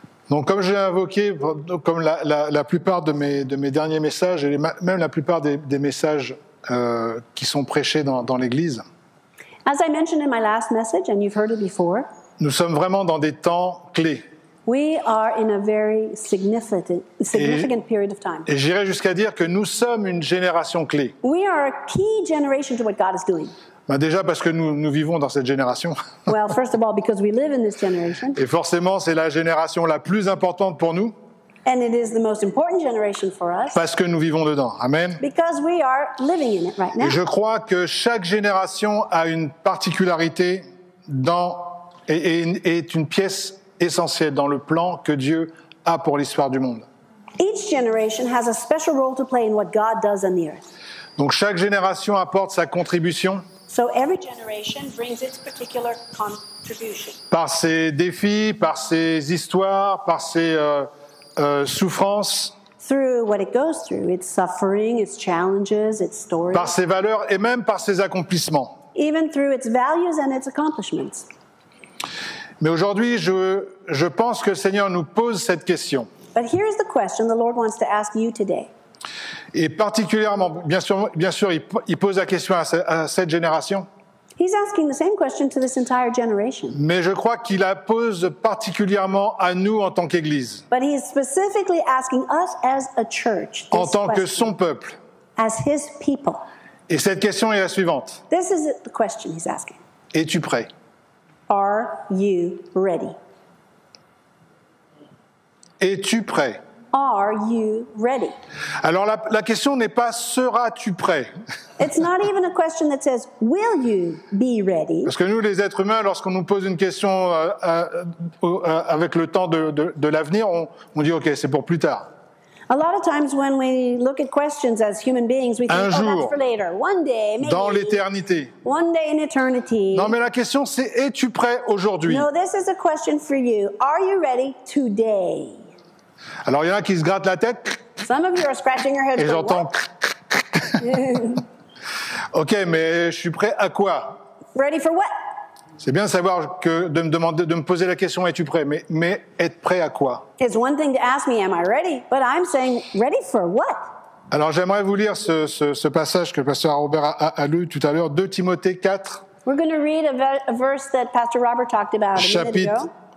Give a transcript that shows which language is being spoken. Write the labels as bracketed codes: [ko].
[fr] Donc, comme j'ai invoqué, comme la plupart de mes derniers messages, et même la plupart des messages qui sont prêchés dans l'Église, [en] as I mentioned in my last message, and you've heard it before, [fr] nous sommes vraiment dans des temps clés. [en] We are in a very significant period of time. [fr] Et j'irai jusqu'à dire que nous sommes une génération clé. [en] We are a key generation to what God is doing. [fr] Ben déjà parce que nous vivons dans cette génération. [en] Well, first of all, because we live in this generation. [fr] Et forcément, c'est la génération la plus importante pour nous. [en] And it is the most important generation for us. [fr] Parce que nous vivons dedans. Amen. [en] Because we are living in it right now. [fr] Et je crois que chaque génération a une particularité et est une pièce essentiel dans le plan que Dieu a pour l'histoire du monde. [en] Each generation has a special role to play in what God does on the earth. [fr] Donc chaque génération apporte sa contribution. [en] So every generation brings its particular contribution. [fr] Par ses défis, par ses histoires, par ses souffrances. [en] Through what it goes through, its suffering, its challenges, its stories. [fr] Par ses valeurs et même par ses accomplissements. [en] Even through its values and its accomplishments. [fr] Mais aujourd'hui, je pense que le Seigneur nous pose cette question. [en] But here is the question the Lord wants to ask you today. [fr] Et particulièrement, bien sûr, il pose la question à cette génération. [en] He's asking the same question to this entire generation. [fr] Mais je crois qu'il la pose particulièrement à nous en tant qu'Église. [en] But he is specifically asking us as a church this question. [fr] En tant que son peuple. [en] As his people. [fr] Et cette question est la suivante. [en] This is the question he's asking. [fr] Es-tu prêt? [en] Are you ready? [fr] Es-tu prêt? [en] Are you ready? [fr] Alors la question n'est pas seras-tu prêt? [en] It's not even a question that says will you be ready? [fr] Parce que nous les êtres humains lorsqu'on nous pose une question avec le temps de l'avenir, on dit OK, c'est pour plus tard. [en] A lot of times when we look at questions as human beings, we think, [fr] jour, [en] oh, that's for later. One day, maybe. [fr] Dans l'éternité. [en] One day in eternity. [fr] Non, mais la question, c'est, es-tu prêt aujourd'hui? [en] No, this is a question for you. Are you ready today? [fr] Alors, il y en a qui se grattent la tête. [en] Some of you are scratching your head. [fr] Et j'entends. OK, mais je suis prêt à quoi? [en] Ready for what? [fr] C'est bien de savoir que de me poser la question es-tu prêt, mais être prêt à quoi? [en] It's one thing to ask me am I ready, but I'm saying ready for what? [fr] Alors j'aimerais vous lire ce passage que le pasteur Robert a lu tout à l'heure, 2 Timothée 4. [en] We're going to read a verse that Pastor Robert talked about a minute ago.